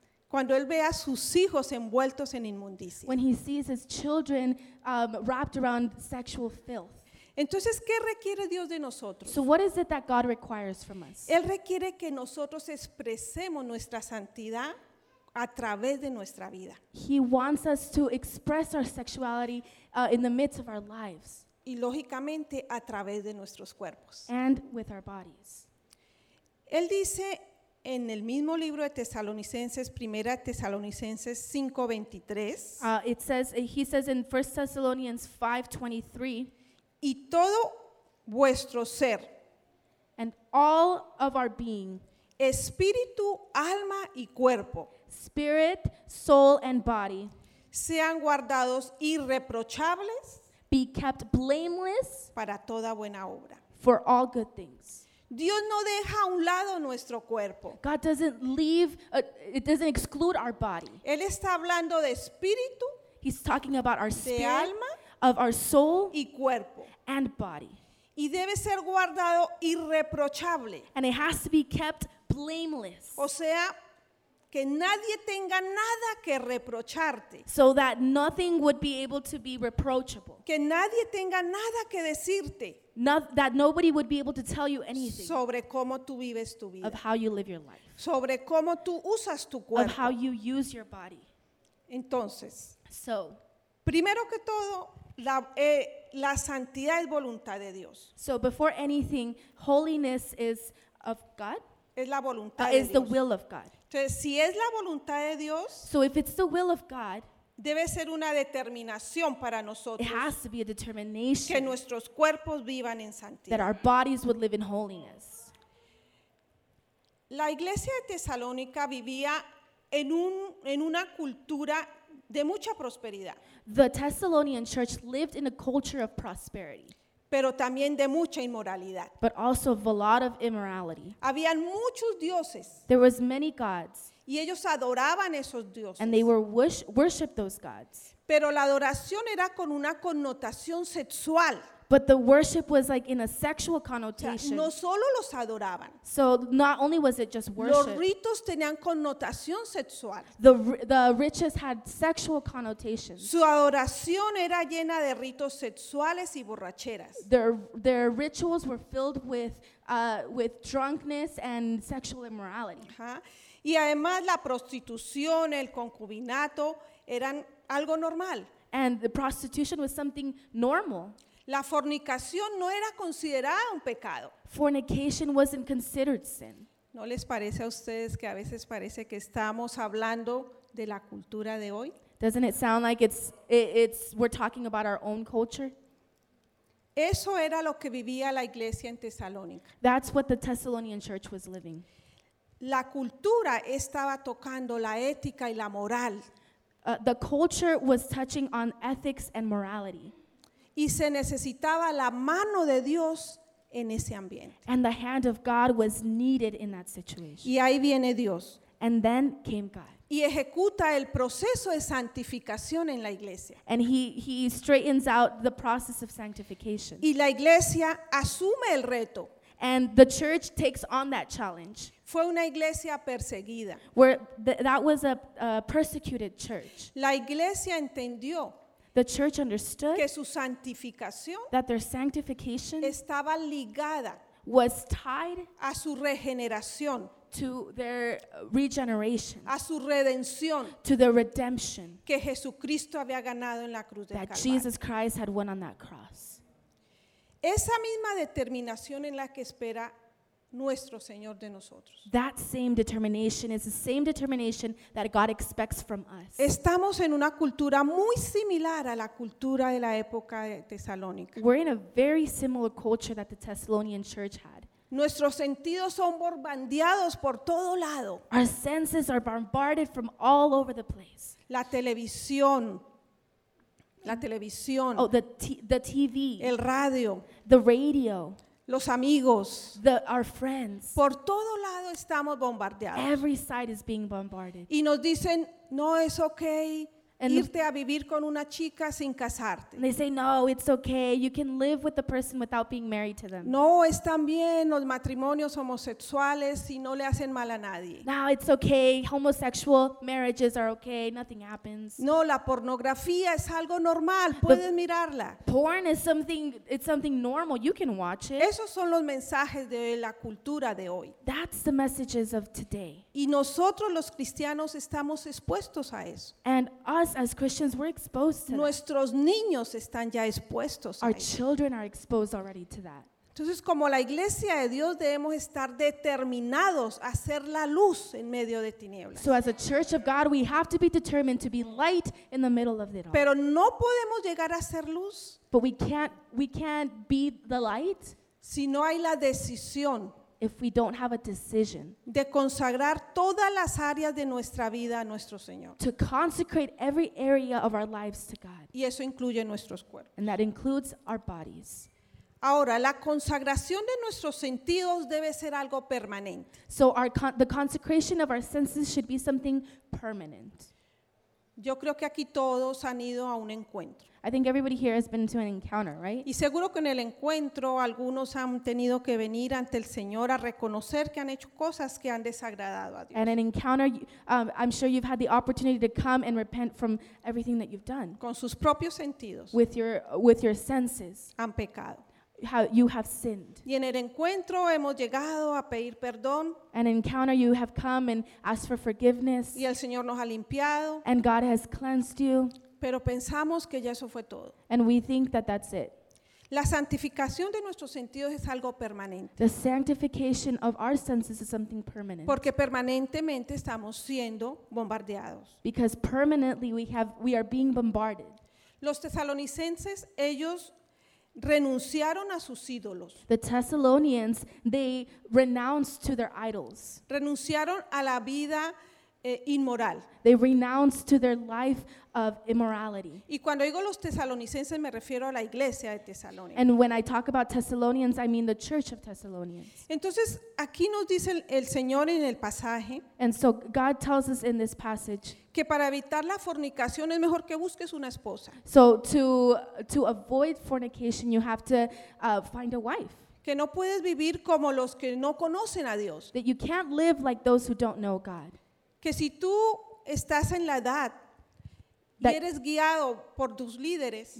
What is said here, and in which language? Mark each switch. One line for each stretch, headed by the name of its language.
Spanish: Cuando él ve a sus hijos envueltos en inmundicia.
English: When he sees his children wrapped around sexual filth.
Spanish: Entonces, ¿qué requiere Dios de nosotros?
English: So what is it that God requires from us?
Spanish: Él requiere que nosotros expresemos nuestra santidad a través de nuestra vida.
English: He wants us to express our sexuality in the midst of our lives.
Spanish: Y lógicamente a través de nuestros cuerpos.
English: And with our bodies.
Spanish: Él dice en el mismo libro de Tesalonicenses, 1 Tesalonicenses 5:23.
English: He says in 1 Thessalonians 5:23,
Spanish: y todo vuestro ser,
English: and all of our being,
Spanish: espíritu, alma y cuerpo,
English: spirit, soul and body,
Spanish: sean guardados irreprochables,
English: be kept blameless,
Spanish: para toda buena obra,
English: for all good things.
Spanish: Dios no deja a un lado nuestro cuerpo.
English: God doesn't leave, it doesn't exclude our body.
Spanish: Él está hablando de espíritu,
English: he's talking about our spirit,
Spanish: de alma,
English: of our soul,
Spanish: y cuerpo,
English: and body.
Spanish: Y debe ser guardado irreprochable.
English: And it has to be kept blameless.
Spanish: O sea, que nadie tenga nada que reprocharte.
English: So that nothing would be able to be reproachable.
Spanish: Que nadie tenga nada que decirte.
English: That nobody would be able to tell you anything.
Spanish: Sobre cómo tú vives tu vida.
English: Of how you live your life.
Spanish: Sobre cómo tú usas tu cuerpo.
English: Of how you use your body.
Spanish: Entonces.
English: So.
Spanish: Primero que todo, la santidad es voluntad de Dios.
English: So before anything, holiness is of God.
Spanish: Es la voluntad de Dios.
English: Is the will of God.
Spanish: Entonces, si es la voluntad de Dios,
English: so if it's the will of God,
Spanish: debe ser una determinación para nosotros,
English: it has to be a determination,
Spanish: que nuestros cuerpos vivan en santidad,
English: that our bodies would live in holiness.
Spanish: La iglesia de Tesalónica vivía en una cultura de mucha prosperidad.
English: The Thessalonian church lived in a culture of prosperity.
Spanish: Pero también de mucha inmoralidad.
English: But also of a lot of immorality.
Spanish: Habían muchos dioses.
English: There was many gods.
Spanish: Y ellos adoraban esos dioses.
English: And they were worshiped those gods.
Spanish: Pero la adoración era con una connotación sexual.
English: But the worship was like in a sexual connotation.
Spanish: No solo los adoraban.
English: So not only was it just worship.
Spanish: Los ritos tenían connotación sexual.
English: The rituals had sexual connotations.
Spanish: Su adoración era llena de ritos sexuales y borracheras.
English: Their rituals were filled with drunkenness and sexual immorality.
Spanish: Y además la prostitución, el concubinato eran algo normal.
English: And the prostitution was something normal.
Spanish: La fornicación no era considerada un pecado.
English: Fornication wasn't considered sin.
Spanish: ¿No les parece a ustedes que a veces parece que estamos hablando de la cultura de hoy?
English: Doesn't it sound like it's we're talking about our own culture?
Spanish: Eso era lo que vivía la iglesia en Tesalónica.
English: That's what the Thessalonian church was living.
Spanish: La cultura estaba tocando la ética y la moral.
English: The culture was touching on ethics and morality.
Spanish: Y se necesitaba la mano de Dios en ese ambiente.
English: And the hand of God was needed in that situation.
Spanish: Y ahí viene Dios.
English: And then came God.
Spanish: Y ejecuta el proceso de santificación en la iglesia.
English: And he straightens out the process of sanctification.
Spanish: Y la iglesia asume el reto.
English: And the church takes on that challenge.
Spanish: Fue una iglesia perseguida.
English: Where that was a persecuted church.
Spanish: La iglesia entendió.
English: The church understood
Spanish: que su santificación,
English: that their sanctification,
Spanish: estaba ligada,
English: was tied
Spanish: a su regeneración,
English: to their regeneration,
Spanish: a su redención,
English: to the redemption
Spanish: que Jesucristo había ganado en la cruz del
English: Calvario, that Jesus Christ had won on that cross.
Spanish: Esa misma determinación en la que espera nuestro Señor de nosotros.
English: That same determination is the same determination that God expects from us.
Spanish: Estamos en una cultura muy similar a la cultura de la época de Tesalónica.
English: We're in a very similar culture that the Thessalonian church had.
Spanish: Nuestros sentidos son bombardeados por todo lado.
English: Our senses are bombarded from all over the place.
Spanish: La televisión, La televisión.
English: Oh, the TV.
Spanish: El radio.
English: The radio.
Spanish: Los amigos.
English: Our friends.
Spanish: Por todo lado estamos bombardeados.
English: Every side is being bombarded.
Spanish: Y nos dicen, no es okay irte a vivir con una chica sin casarte.
English: They say, no, it's okay. You can live with the person without being married to them.
Spanish: No, están bien los matrimonios homosexuales y no le hacen mal a nadie.
English: No, it's okay. Homosexual marriages are okay. Nothing happens.
Spanish: No, la pornografía es algo normal. Puedes mirarla.
English: Porn is something, it's something normal. You can watch it.
Spanish: Esos son los mensajes de la cultura de hoy.
English: That's the messages of today.
Spanish: Y nosotros los cristianos estamos expuestos a eso.
English: And us as Christians, we're exposed to that.
Spanish: Nuestros niños están ya expuestos.
English: Our children are exposed already to that.
Spanish: Entonces, como la iglesia de Dios, debemos estar determinados a ser la luz en medio de tinieblas.
English: So as a church of God, we have to be determined to be light in the middle of it all.
Spanish: Pero no podemos llegar a ser luz.
English: But we can't be the light.
Spanish: Si no hay la decisión.
English: If we don't have a decision
Spanish: de consagrar todas las áreas de nuestra vida a nuestro Señor,
English: to consecrate every area of our lives to God,
Spanish: y eso incluye nuestros cuerpos,
English: and that includes our bodies.
Spanish: Ahora, la consagración de nuestros sentidos debe ser algo permanente.
English: So the consecration of our senses should be something permanent.
Spanish: Yo creo que aquí todos han ido a un encuentro.
English: I think everybody here has been to an encounter, right?
Spanish: Y seguro que en el encuentro algunos han tenido que venir ante el Señor a reconocer que han hecho cosas que han desagradado a Dios.
English: And an encounter, I'm sure you've had the opportunity to come and repent from everything that you've done.
Spanish: Con sus propios sentidos.
English: With your senses.
Spanish: Han pecado.
English: You have sinned.
Spanish: Y en el encuentro hemos llegado a pedir perdón.
English: And encounter, you have come and asked for forgiveness.
Spanish: Y el Señor nos ha limpiado.
English: And God has cleansed you.
Spanish: Pero pensamos que ya eso fue todo.
English: And we think that that's it.
Spanish: La santificación de nuestros sentidos es algo permanente.
English: The sanctification of our senses is something permanent.
Spanish: Porque permanentemente estamos siendo bombardeados.
English: Because permanently we are being bombarded.
Spanish: Los tesalonicenses, ellos renunciaron a sus ídolos.
English: The Thessalonians, they renounced to their idols.
Spanish: Renunciaron a la vida inmoral.
English: They renounced to their life of immorality.
Spanish: Y cuando digo los tesalonicenses, me refiero a la iglesia de Tesalónica.
English: And when I talk about Thessalonians, I mean the church of Thessalonians.
Spanish: Entonces, aquí nos dice el Señor en el pasaje.
English: And so God tells us in this passage
Spanish: que para evitar la fornicación es mejor que busques una esposa.
English: So to avoid fornication, you have to find a wife.
Spanish: Que no puedes vivir como los que no conocen a Dios.
English: That you can't live like those who don't know God.
Spanish: Que si tú estás en la edad that, y eres guiado por tus líderes,